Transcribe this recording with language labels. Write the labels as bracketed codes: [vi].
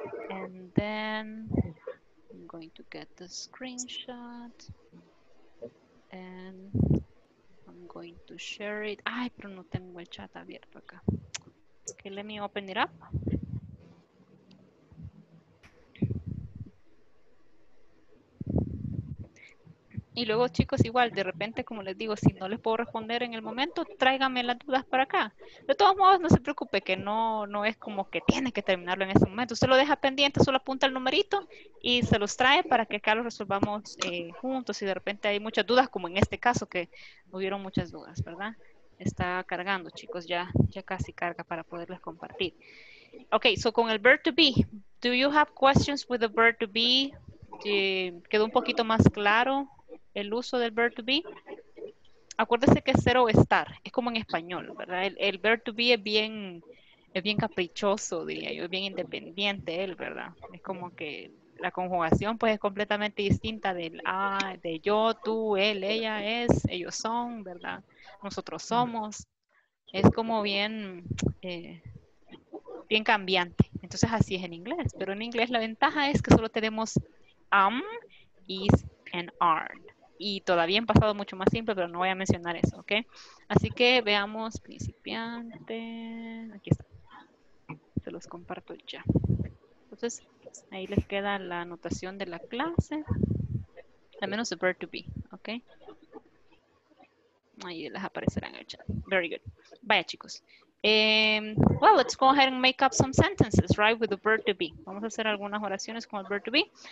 [en] And then I'm going to get the screenshot. And I'm going to share it. [es] Ay, pero no tengo el chat abierto acá. [en] Ok, let me open it up. [es] Y luego, chicos, igual, de repente, como les digo, si no les puedo responder en el momento, tráigame las dudas para acá. De todos modos, no se preocupe, que no es como que tiene que terminarlo en ese momento. Usted lo deja pendiente, solo apunta el numerito y se los trae para que acá los resolvamos juntos. Y de repente hay muchas dudas, como en este caso, que hubieron muchas dudas, ¿verdad? Está cargando, chicos, ya casi carga para poderles compartir. [en] Ok, so [es] con el [en] verb to be, do you have questions with the verb to be? [es] ¿Quedó un poquito más claro el uso del verb to be? Acuérdese que ser o estar es como en español, ¿verdad? El verb to be es bien caprichoso, diría yo, es bien independiente él, ¿verdad? Es como que la conjugación pues es completamente distinta del de yo, tú, él, ella, es, ellos son, ¿verdad? Nosotros somos. Es como bien, bien cambiante. Entonces así es en inglés. Pero en inglés la ventaja es que solo tenemos am, is, and are. Y todavía en pasado mucho más simple, pero no voy a mencionar eso, ¿ok? Así que veamos principiante. Aquí está. Se los comparto ya. Entonces, ahí les queda la anotación de la clase. Al menos el verb to be, ¿ok? Ahí les aparecerá en el chat. [en] Very good. [es] Vaya, chicos. [en] Well, let's go ahead and make up some sentences, right, with the verb to be. [es] Vamos a hacer algunas oraciones con el verb to be.